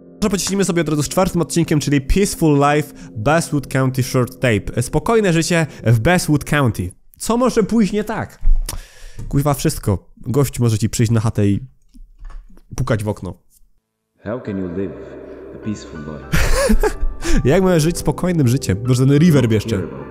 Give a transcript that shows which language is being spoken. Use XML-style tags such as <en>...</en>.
<pl>Pocieśnijmy sobie od razu z czwartym odcinkiem, czyli Peaceful Life, Basswood County Short Tape. Spokojne życie w Basswood County. Co może pójść nie tak? Kurwa, wszystko. Gość może ci przyjść na chatę i pukać w okno.</pl> <en>How can you live a peaceful life?</en> <pl>Jak mamy żyć spokojnym życiem? Może ten reverb jeszcze?</pl>